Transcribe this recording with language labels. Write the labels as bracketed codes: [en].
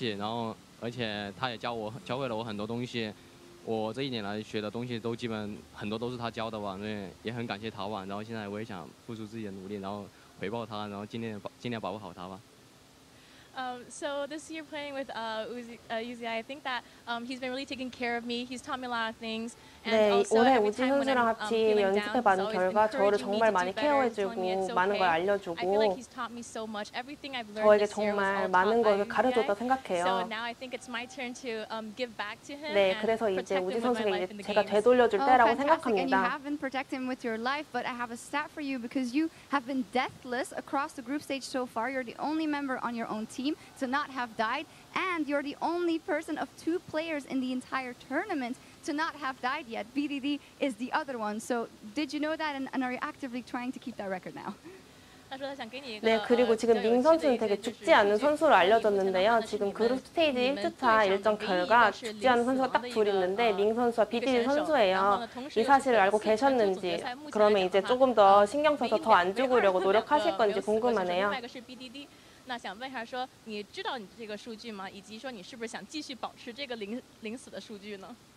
[zh] 感受就是小狗特别照顾我吧，然后我自己打不好的时候，他会跟我说一些鼓励的话，然后就说没关系，然后而且他也教我，教会了我很多东西。我这一年来学的东西都基本很多都是他教的吧，那也很感谢他吧。然后现在我也想付出自己的努力，然后回报他，然后尽量把握好他吧。 [en] So this year playing with Uzi, I think that he's been really taking care of me. He's taught me a lot of things. And [ko] 네, [en] also, [ko] 올해 우지 선수랑 같이 연습해봤던 결과 저를 정말 많이 케어해주고 많은 걸 알려주고 저에게 정말 많은 걸 가르쳐줬다 생각해요. 네, 그래서 이제 우지 선수에게 이제 제가 되돌려줄 때라고 생각합니다. [en] And you have been protecting him with your life, but I have a stat for you because you have been deathless across the group stage so far. You're the only member on your own team to not have died, and you're the only person of two players in the entire tournament to not have died yet. BDD is the other one. So did you know that and are you actively trying to keep that record now? [ko] 네, 그리고 지금 민 선수는 되게 죽지 않은 선수로 알려졌는데요. 지금 그룹 스테이지 1주차 일정 결과 죽지 않은 선수가 딱 둘 있는데 민 선수와 BDD 선수예요. 이 사실을 알고 계셨는지 그러면 이제 조금 더 신경 써서 더 안 죽으려고 노력하실 건지 궁금하네요. [zh] 那想问一下说你知道你这个数据吗以及说你是不是想继续保持这个临死的数据呢